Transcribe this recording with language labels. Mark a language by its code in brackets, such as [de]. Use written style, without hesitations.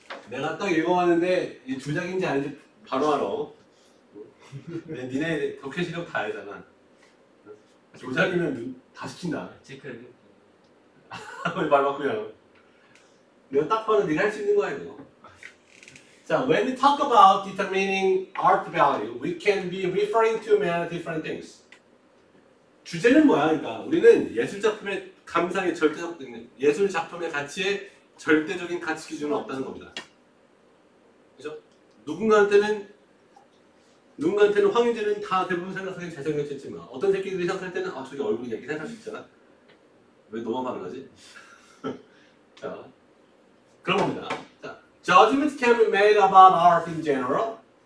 [ko] 내가 딱 읽어봤는데 이 주작인지 아닌지 바로 알아. 네, 니네 독해 시력 다 알잖아. 조작이면 다 시킨다. 체크해. 왜 말 바꾸냐. 내가 딱 봐도 네가 할 수 있는 거야 이거. [en] 자, when we talk about determining art value, we can be referring to many different things. [ko] 주제는 뭐야? 그러니까 우리는 예술 작품의 감상의 절대적인 예술 작품의 가치의 절대적인 가치 기준은 없다는 겁니다. 그렇죠? 누군가한테는 황유재는 다 대부분 생각하기엔 잘생겼지만 어떤 새끼들이 생각할 때는 아 저기 얼굴이 이렇게 생각할 수 있잖아. 왜 너만 반응하지? 자, 그런 겁니다. [en] 자, judgments can be made about art in general.